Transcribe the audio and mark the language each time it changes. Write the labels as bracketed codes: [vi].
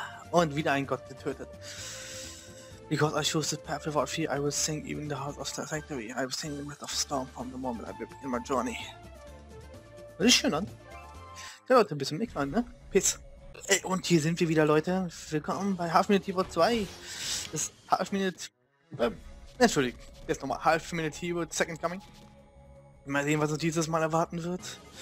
[de] Und wieder ein Gott getötet. [en] Because I chose the path without fear, I will sing even the heart of the sanctuary. I will sing the myth of storm from the moment I begin my journey. [de] Das ist schön, oder? Ja, Leute, bis zum nächsten Mal, ne? Peace. Ey, und hier sind wir wieder, Leute. Willkommen bei Half Minute Hero 2. Das Half Minute... Entschuldigung. Jetzt nochmal. Half Minute Hero Second Coming. Mal sehen, was uns dieses Mal erwarten wird.